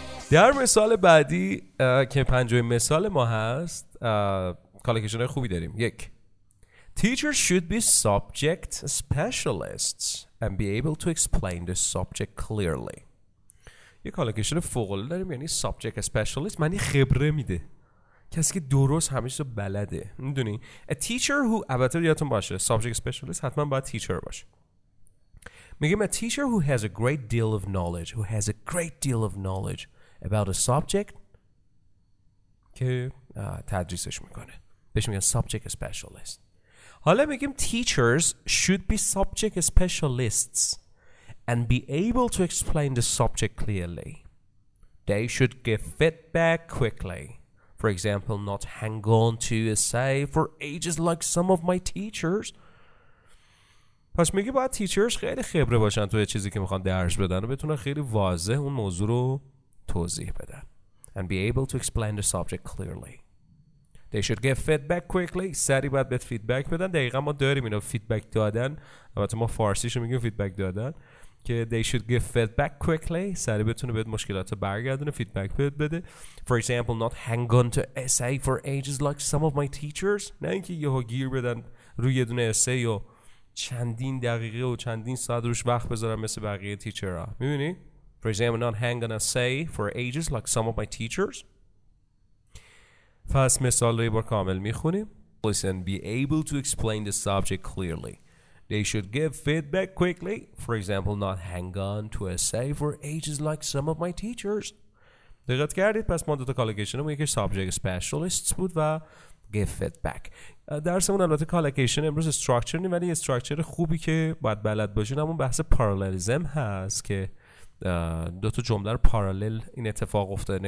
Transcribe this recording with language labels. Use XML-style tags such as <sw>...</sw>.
<fa>در مثال بعدی که پنجمین مثال ما هست، کالکشن های خوبی داریم.</fa> <en>یک، Teachers should be subject specialists and be able to explain the subject clearly.</en> <fa>یک کالکشن فوق‌العاده داریم، یعنی subject specialist معنی خبره میده، کسی که درست همه چیز رو بلده. میدونی؟ A teacher who، البته یادتون باشه subject specialist حتما باید teacher باشه.</fa> <en>میگیم a teacher who has a great deal of knowledge، who has a great deal of knowledge about a subject که تدریسش میکنه، بهش میگن subject specialist. حالا میگیم teachers should be subject specialists and be able to explain the subject clearly. They should give feedback quickly. For example, not hang on to a essay for ages like some of my teachers.</en> <fa>پس میگه باید teachers خیلی خبره باشن توی چیزی که میخوان درس بدن و بتونن خیلی واضح اون موضوع رو توضیح بدن.</fa> <en>And be able to explain the subject clearly. They should give feedback quickly. سریع باید بهت feedback بدن.</en> <fa>دقیقا ما داریم اینو، فیدبک دادن. البته ما فارسیشو میگیم فیدبک دادن.</fa> <en>که they should give feedback quickly.</en> <fa>سریع بتونه بهت مشکلات رو برگردونه، فیدبک بهت بده.</fa> <en>For example, not hang on to essay for ages like some of my teachers.</en> <fa>نه اینکه یهو گیر بدن روی یه دونه essay و چندین دقیقه و چندین ساعت روش وقت بذارن مثل بقیه تیچرها.</fa> <en>میبینی؟ For example, not hang on a say for ages like some of my teachers.</en> <fa>First مثال رو بر کامل میخونیم.</fa> <en>Listen, be able to explain the subject clearly. They should give feedback quickly. For example, not hang on to a say for ages like some of my teachers.</en> <fa>دقت کردید؟ پس ما دو تا کالوکیشنمون یکیش سابجکت اسپشیالیست بود و گیو فیدبک. درسمون البته کالوکیشن امروز استراکچر نیست، ولی استراکچر خوبی که باید بلد باشین همون بحث پارالالیسم هست که دو تا جمله رو پارالل این اتفاق افتاده.</fa>